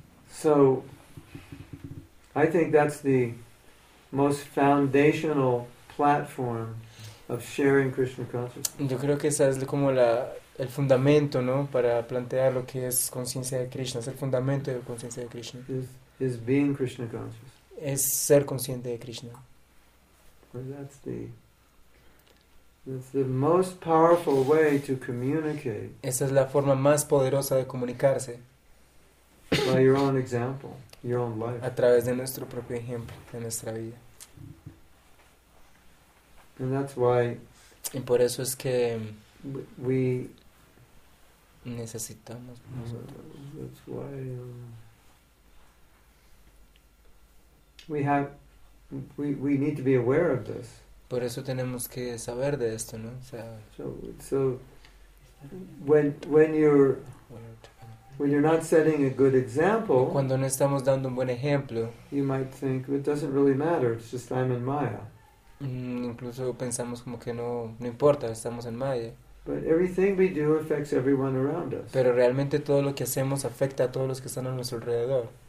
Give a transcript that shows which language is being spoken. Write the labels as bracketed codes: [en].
[en] So, I think that's the most foundational platform of sharing Krishna consciousness. [es] Yo creo que esa es como la el fundamento, ¿no? Para plantear lo que es conciencia de Krishna. Es el fundamento de conciencia de Krishna. [en] Is being Krishna conscious. [es] Es ser consciente de Krishna. [en] Well, that's the most powerful way to communicate. [es] Esa es la forma más poderosa de comunicarse. [en] By your own example, your own life. [es] A través de nuestro propio ejemplo, de nuestra vida. [en] And that's why. [es] Y por eso es que [en] we [es] necesitamos nosotros. [en] That's why we need to be aware of this. [es] Por eso tenemos que saber de esto, ¿no? O sea, [en] so when you're not setting a good example, [es] cuando no estamos dando un buen ejemplo, [en] you might think it doesn't really matter. It's just I'm in Maya. [es] Incluso pensamos como que no importa, estamos en Maya. [en] But everything we do affects everyone around us. [es] Pero realmente todo lo que hacemos afecta a todos los que están a nuestro alrededor.